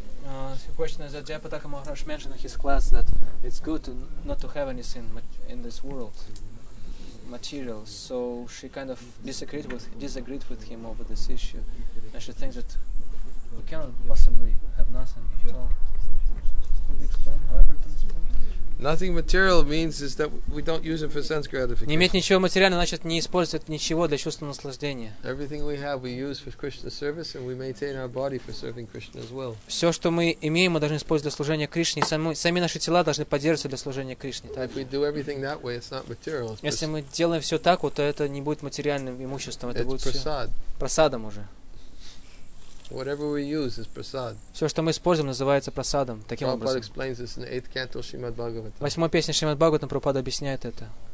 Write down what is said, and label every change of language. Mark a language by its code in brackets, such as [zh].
[en] The question is that Japataka Maharaj mentioned in his class that it's good to not to have anything in this world, material. So she kind of disagreed with him over this issue, and she thinks that we cannot possibly have nothing at all. Could you explain? Nothing material means is that we don't use it for sense gratification. [ru] Не иметь ничего материального значит не использовать ничего для чувственного наслаждения. [en] Everything we have we use for Krishna's service and we maintain our body for serving Krishna as well. [ru] Все, что мы имеем, мы должны использовать для служения Кришне, и сами наши тела должны поддерживаться для служения Кришне. [en] If we do everything that way, it's not material. [ru] Если мы делаем все так, вот, то это не будет материальным имуществом, это будет [en] prasad. [ru] Прасадом уже. [en] Whatever we use is prasad. [ru] Все, что мы используем, называется прасадом. Таким образом. [en] Prabhupada explains this in the 8th canto Shrimad Bhagavatam. [ru] Восьмой песне Шримад Бхагаватам Прабхупада объясняет это.